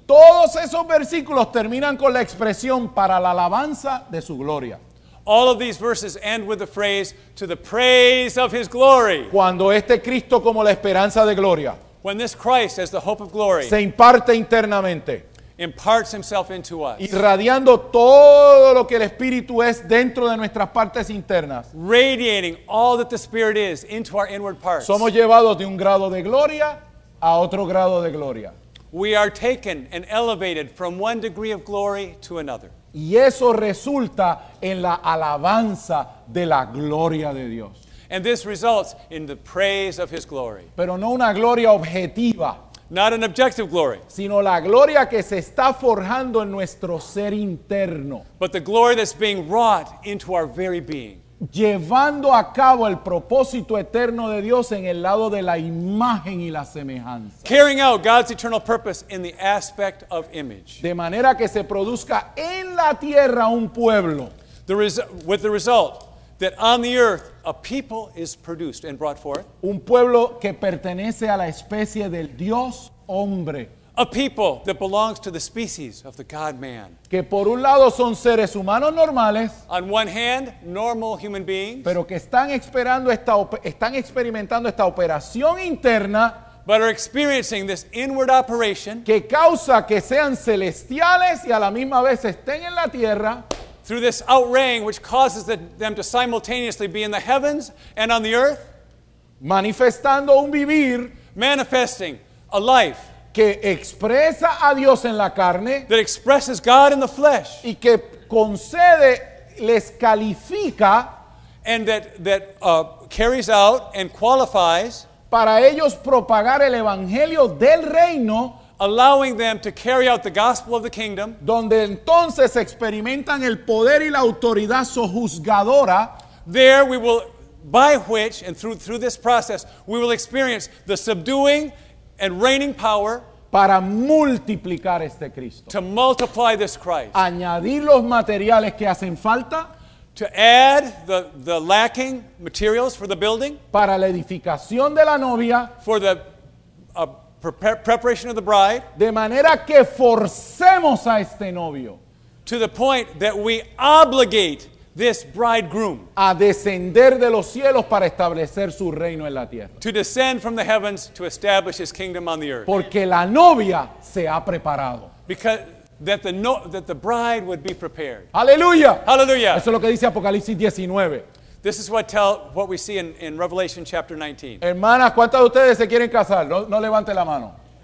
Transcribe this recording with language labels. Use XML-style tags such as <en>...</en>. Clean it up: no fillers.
<es>todos esos versículos terminan con la expresión para la alabanza de su gloria.</es> <en>All of these verses end with the phrase to the praise of his glory.</en> <es>Cuando este Cristo como la esperanza de gloria,</es> <en>when this Christ as the hope of glory,</en> <es>se imparte internamente,</es> <en>imparts himself into us,</en> <es>irradiando todo lo que el Espíritu es dentro de nuestras partes internas,</es> <en>radiating all that the Spirit is into our inward parts.</en> <es>Somos llevados de un grado de gloria a otro grado de gloria.</es> <en>We are taken and elevated from one degree of glory to another.</en> <es>Y eso resulta en la alabanza de la gloria de Dios.</es> <en>And this results in the praise of his glory.</en> <es>Pero no una gloria objetiva.</es> <en>Not an objective glory.</en> <es>Sino la gloria que se está forjando en nuestro ser interno.</es> <en>But the glory that's being wrought into our very being.</en> <es>llevando a cabo el propósito eterno de Dios en el lado de la imagen y la semejanza.</es> <en>Carrying out God's eternal purpose in the aspect of image.</en> <es>De manera que se produzca en la tierra un pueblo.</es> <en>With the result that on the earth a people is produced and brought forth.</en> <es>Un pueblo que pertenece a la especie del Dios hombre.</es> <en>A people that belongs to the species of the God-man.</en> <es>Que por un lado son seres humanos normales.</es> <en>On one hand, normal human beings.</en> <es>Pero que están experimentando esta operación interna.</es> <en>But are experiencing this inward operation.</en> <es>Que causa que sean celestiales y a la misma vez estén en la tierra.</es> <en>Through this outraying which causes them to simultaneously be in the heavens and on the earth.</en> <es>Manifestando un vivir.</es> <en>Manifesting a life.</en> <es>Que expresa a Dios en la carne.</es> <en>That expresses God in the flesh.</en> <es>Y que concede, les califica.</es> <en>And that carries out and qualifies.</en> <es>Para ellos propagar el evangelio del reino.</es> <en>Allowing them to carry out the gospel of the kingdom.</en> <es>Donde entonces experimentan el poder y la autoridad sojuzgadora.</es> <en>There we will, by which and through this process, we will experience the subduing and reigning power</en> <es>para multiplicar este Cristo,</es> <en>to multiply this Christ,</en> <es>añadir los materiales que hacen falta,</es> <en>to add the lacking materials for the building,</en> <es>para la edificación de la novia,</es> <en>for the preparation of the bride,</en> <es>de manera que forcemos a este novio,</es> <en>to the point that we obligate this bridegroom</en> <es>a descender de los cielos para establecer su reino en la tierra,</es> <en>to descend from the heavens to establish his kingdom on the earth,</en> <es>porque la novia se ha preparado,</es> <en>because that the bride would be prepared.</en> <es>Aleluya.</es> <en>Hallelujah.</en> <es>Eso es lo que dice Apocalipsis 19.</es> <en>This is what we see in Revelation chapter 19.</en> <es>Hermanas, ¿cuántas de ustedes se quieren casar? No levante la mano.</es>